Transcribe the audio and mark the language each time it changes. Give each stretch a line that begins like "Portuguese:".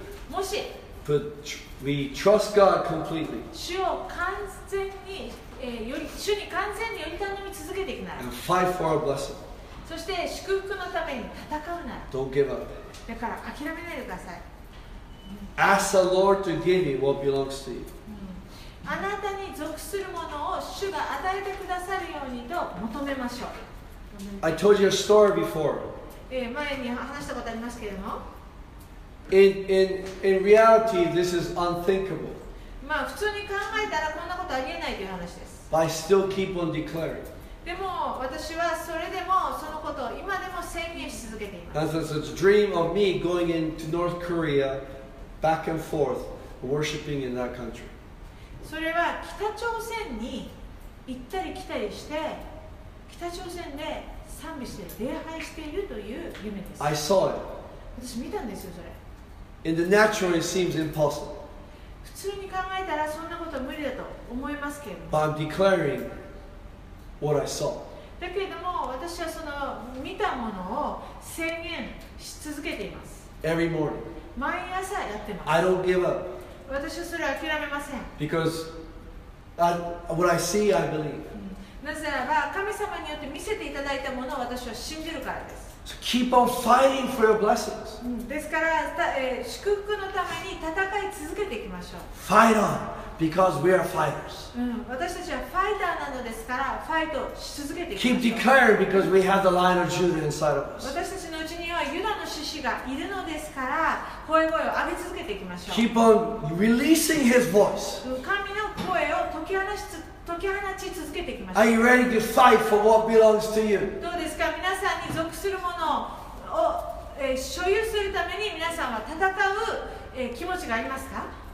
Japanese: もし
English: we trust God completely,
Japanese: 主を完全に、より主に完全により頼み続けていくなら、
English: and fight for our blessing.
Japanese: そして祝福のために戦うなら、
English: Don't give up.
Japanese: だから諦めないでください。
English: Ask the Lord to give you what belongs to you.
Japanese: あなたに属するものを主が与えてくださるようにと求めましょう。
English: I told you a story before.
Japanese: 前に話したことありますけれども。
English: In reality, this is unthinkable.
Japanese: まあ普通に考えたらこんなことありえないという話です。
English: But I still keep on declaring.
Japanese: でも私はそれでもそのことを今でも宣言し続けています。
English: That's a dream of me going into North Korea, back and forth, worshiping in that country.
Japanese: それは北朝鮮に行ったり来たりして、北朝鮮で賛美して礼拝しているという夢です。
English: I saw it.
Japanese: 私見たんですよそれ。
English: In the natural, it seems impossible.
Japanese: 普通に考えたらそんなこと無理だと思いますけれども。
English: But I'm declaring what I saw.
Japanese: だけれども私はその見たものを宣言し続けています。
English: Every morning.
Japanese: 毎朝やってます。
English: I don't give up.
Japanese: 私はそれを諦めません。
English: Because what I see, I believe.
Japanese: なぜならば神様によって見せていただいたものを私は信じるからです。
English: So keep on fighting for your blessings.
Japanese: ですから、祝福のために戦い続けていきましょう。
English: Fight on, because we are fighters.
Japanese: 私たちはファイターなのですから、ファイトし続けていきましょう。
English: Keep declaring, because we have the Lion of Judah inside of us.
Japanese: 私たちのうちにはユダの獅子がいるのですから、声を上げ続けていきましょう。
English: Keep on releasing His voice.
Japanese: 神の声を解き放ち続けていきましょう。
English: Are you ready to fight for what belongs to you?
Japanese: どうですか、皆さんに属するものを、所有するために皆さんは戦う、気持ちがありますか？